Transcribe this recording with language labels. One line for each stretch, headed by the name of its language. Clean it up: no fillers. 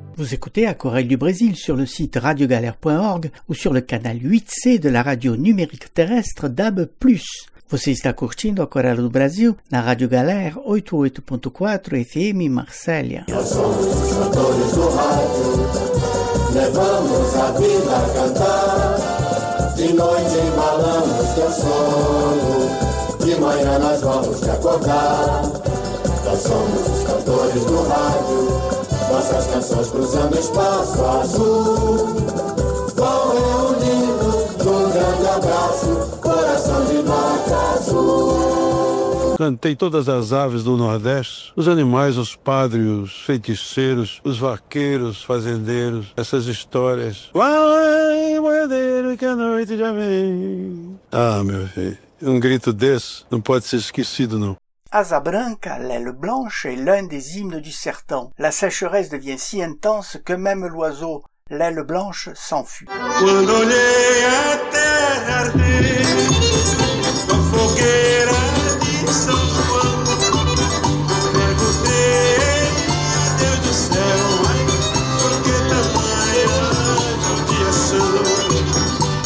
French: Écoutez Aquarelle du Brésil sur le site radiogalère.org ou sur le canal 8C de la radio numérique terrestre DAB+.
Portuguese: Você está curtindo Aquarelle do Brasil na Rádio Galère 88.4 FM Marselha. Levamos a vida a cantar, de noite embalamos teu sono, de manhã nós vamos te acordar. Nós somos os cantores do rádio, nossas canções cruzando espaço azul, vão reunindo num grande abraço, coração de vaca azul. Cantei todas as aves do Nordeste, os animais, os pádrios, os feiticeiros, os vaqueiros, fazendeiros, essas histórias. Uai, boiadeiro, que a noite já vem. Ah, meu filho, um grito desse não pode ser esquecido, não.
French: Asa Branca, l'aile blanche, est l'un des hymnes du sertão. La sécheresse devient si intense que même l'oiseau, l'aile blanche, s'enfuit.
Portuguese: Quando olhei a terra arder, a fogueira de São João, perguntei a Deus do céu, por que tamanha judiação?